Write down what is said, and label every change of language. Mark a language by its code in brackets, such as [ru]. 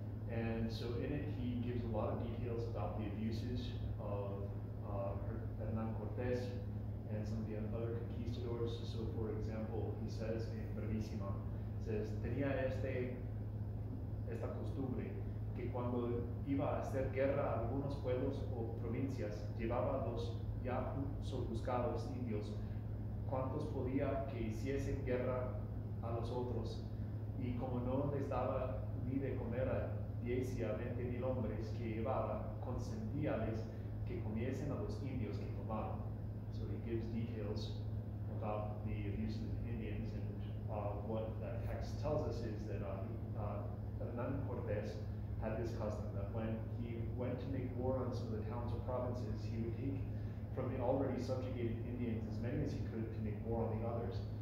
[en] And so in it, he gives a lot of details about the abuses of Hernán Cortés and some of the other conquistadors. So for example, he says in Brevísima, says, [es] tenía esta costumbre que cuando iba a hacer guerra a algunos pueblos o provincias, llevaba los ya sojuzgados indios, cuantos podía que hiciesen guerra a los otros, y como no les daba ni de comer a 10 y a 20 mil hombres que llevaba, consentíales que comiesen a los indios que tomaron. [en] So he gives details about the abuse of the Indians, and what that text tells us is that Hernán Cortés had this custom that when he went to make war on some of the towns or provinces, he would take from the already subjugated Indians as many as he could to make war on the others.